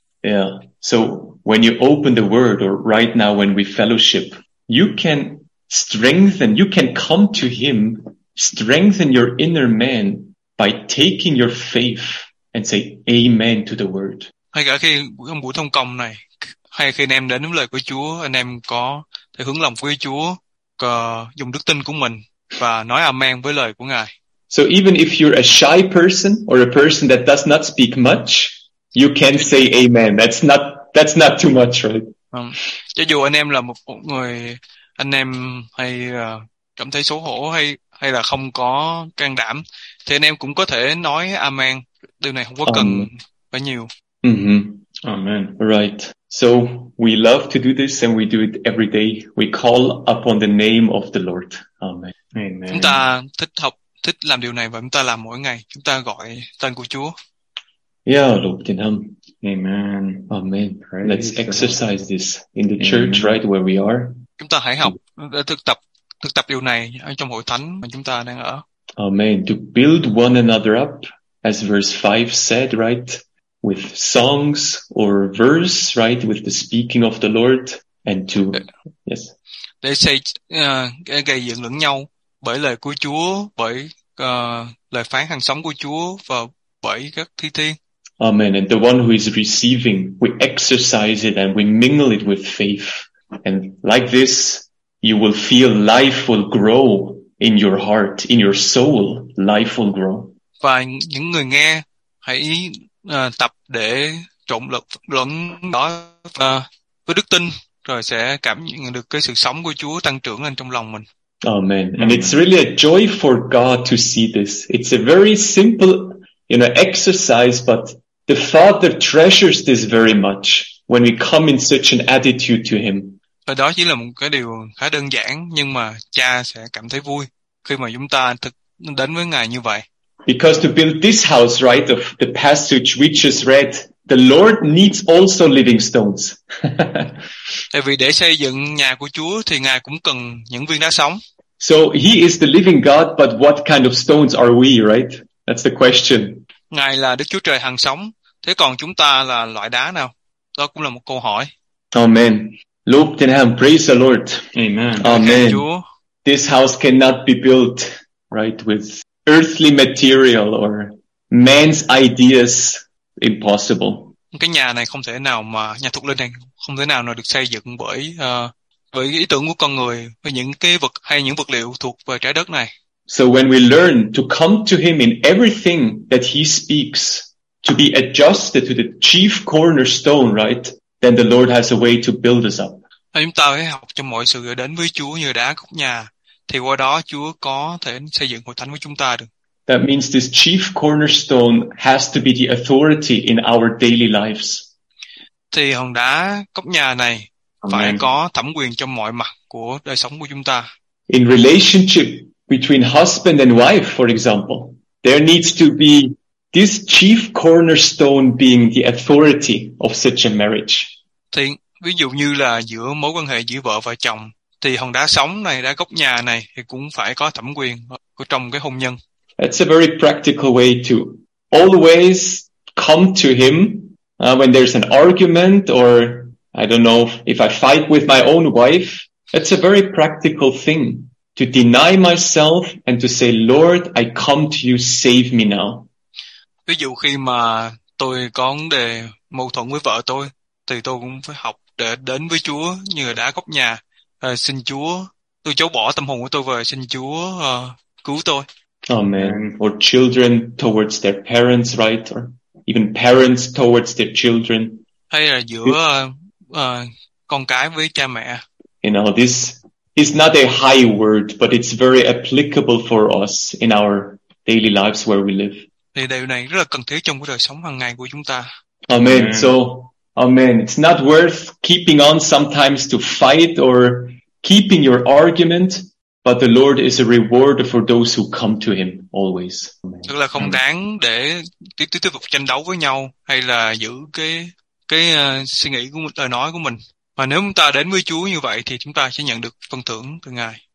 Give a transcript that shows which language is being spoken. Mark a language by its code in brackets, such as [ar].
[en] Yeah. So when you open the word, or right now when we fellowship, you can strengthen, you can come to him, strengthen your inner man by taking your faith and say amen to the word. [vi] Hay cả khi trong buổi thông công này, hay khi anh em đến với lời của Chúa, anh em có thể hướng lòng với Chúa, dùng đức tin của mình và nói amen với lời của Ngài. [en] So even if you're a shy person or a person that does not speak much, you can say amen. That's not too much, right? [vi] Cho dù anh em là một người anh em hay cảm thấy xấu hổ hay là không có can đảm, thì anh em cũng có thể nói amen. Điều này không có cần phải nhiều. [en] Amen. Right. So we love to do this and we do it every day. We call upon the name of the Lord. Amen. [vi] Chúng ta thích làm điều này và chúng ta làm mỗi ngày. Chúng ta gọi tên của Chúa. [en] Yeah, Lord, in him. Amen. Amen. Praise. Let's exercise this in the church, right where we are. [vi] Chúng ta hãy học để thực tập điều này trong hội thánh mà chúng ta đang ở. [en] Amen. To build one another up, as verse 5 said, right? With songs or verse, right? With the speaking of the Lord, and to yes. They say [vi] gây dựng lẫn nhau bởi lời của Chúa, bởi lời phán hàng sống của Chúa và bởi các thi thiên. [en] Amen. And the one who is receiving, we exercise it and we mingle it with faith. And like this, you will feel life will grow in your heart, in your soul. Life will grow. [vi] Và những người nghe hãy tập để trộn lẫn đó với đức tin, rồi sẽ cảm nhận được cái sự sống của Chúa tăng trưởng lên trong lòng mình. [en] Amen. And it's really a joy for God to see this. It's a very simple, you know, exercise, but the Father treasures this very much when we come in such an attitude to him. [vi] Và đó chỉ là một cái điều khá đơn giản, nhưng mà Cha sẽ cảm thấy vui khi mà chúng ta đến với Ngài như vậy. [en] Because to build this house, right, of the passage we just read, the Lord needs also living stones. [vi] Tại vì để xây dựng nhà của Chúa thì Ngài cũng cần những viên đá sống. [en] So he is the living God, but what kind of stones are we, right? That's the question. [vi] Ngài là Đức Chúa Trời hằng sống, thế còn chúng ta là loại đá nào? Đó cũng là một câu hỏi. [en] Amen. Lord, then have praise the Lord. Amen. Amen. This house cannot be built, right, with earthly material or man's ideas, impossible. [vi] Cái nhà này không thể nào mà nhà thuộc linh này không thể nào được xây dựng bởi bởi ý tưởng của con người, với những cái vật hay những vật liệu thuộc về trái đất này. [en] So when we learn to come to him in everything that he speaks, to be adjusted to the chief cornerstone, right? Then the Lord has a way to build us up. [vi] Chúng ta phải học cho mọi sự đến với Chúa như đá cốt nhà, thì qua đó Chúa có thể xây dựng hội thánh với chúng ta được. [en] That means this chief cornerstone has to be the authority in our daily lives. [vi] Thì hòn đá cốt nhà này phải có thẩm quyền trong mọi mặt của đời sống của chúng ta. [en] In relationship between husband and wife, for example, there needs to be this chief cornerstone being the authority of such a marriage. [vi] Thì ví dụ như là giữa mối quan hệ giữa vợ và chồng, thì hòn đá sống này, đá cốt nhà này thì cũng phải có thẩm quyền của trong cái hôn nhân. [en] It's a very practical way to always come to him when there's an argument, or I don't know, if I fight with my own wife. It's a very practical thing to deny myself and to say, Lord, I come to you, save me now. [vi] Ví dụ khi mà tôi có vấn đề mâu thuẫn với vợ tôi, thì tôi cũng phải học để đến với Chúa như đá cốt nhà. Xin Chúa, tôi chối bỏ tâm hồn của tôi và xin Chúa cứu tôi. [en] Amen. Or children towards their parents, right? Or even parents towards their children. [vi] Hay là giữa con cái với cha mẹ. [en] You know, this is not a high word, but it's very applicable for us in our daily lives where we live. [vi] Thì điều này rất là cần thiết trong cái đời sống hàng ngày của chúng ta. [en] Amen. Yeah. So, amen. It's not worth keeping on sometimes to fight or keeping your argument, but the Lord is a reward for those who come to him always. Amen. [vi] Tức là không đáng để tiếp tục tranh đấu với nhau hay là giữ cái suy nghĩ của mình, lời nói của mình. Mà nếu chúng ta đến với Chúa như vậy thì chúng ta sẽ nhận được phần thưởng từ Ngài.